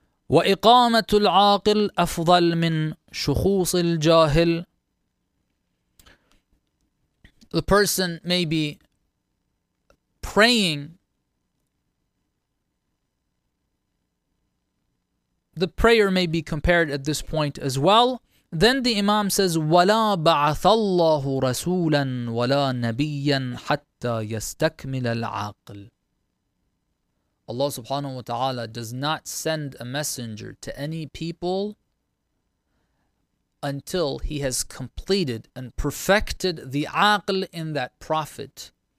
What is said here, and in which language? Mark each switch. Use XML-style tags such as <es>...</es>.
<ar>وَإِقَامَةُ الْعَاقِلِ أَفْضَلْ مِنْ شُخُوصِ الْجَاهِلِ.</ar> <en>The person may be praying. The prayer may be compared at this point as well. Then the Imam says,</en> <ar>وَلَا بَعَثَ اللَّهُ رَسُولًا وَلَا نَبِيًّا حَتَّى يَسْتَكْمِلَ الْعَاقِلِ.</ar> <en>Allah subhanahu wa ta'ala does not send a messenger to any people until he has completed and perfected the aql in that prophet.</en>